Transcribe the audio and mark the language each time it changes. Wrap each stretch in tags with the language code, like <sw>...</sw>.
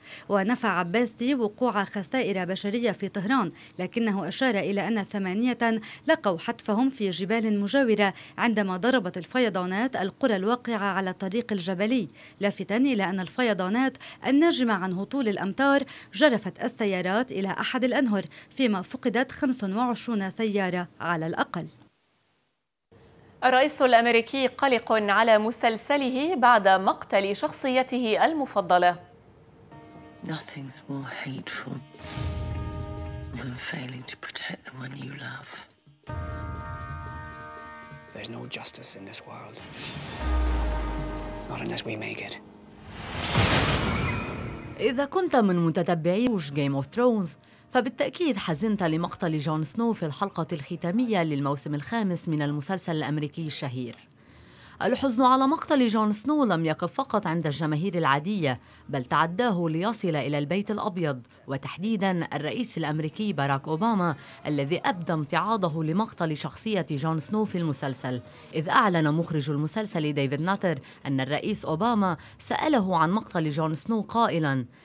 <ar>ونفى عباسي وقوع خسائر بشرية في طهران، لكنه أشار إلى أن 8 لقوا حتفهم في جبال مجاورة عندما ضربت الفيضانات القرى الواقعة على الطريق الجبلي، لافتا إلى أن الفيضانات الناجمة عن هطول الأمطار جرفت السيارات إلى أحد الأنهر، فيما فقدت 25 سيارة على الأقل. الرئيس الأمريكي قلق على مسلسله بعد مقتل شخصيته المفضلة.</ar> <en>Nothing's more hateful than failing to protect the one you love. There's no justice in this world. Not unless we make it.</en> <ar>إذا كنت من متتبعي وش Game of Thrones، فبالتأكيد حزنت لمقتل جون سنو في الحلقة الختامية للموسم الخامس من المسلسل الأمريكي الشهير. الحزن على مقتل جون سنو لم يقف فقط عند الجماهير العادية، بل تعداه ليصل إلى البيت الأبيض، وتحديداً الرئيس الأمريكي باراك أوباما الذي أبدى امتعاضه لمقتل شخصية جون سنو في المسلسل، إذ أعلن مخرج المسلسل ديفيد ناتر أن الرئيس أوباما سأله عن مقتل جون سنو قائلاً:</ar>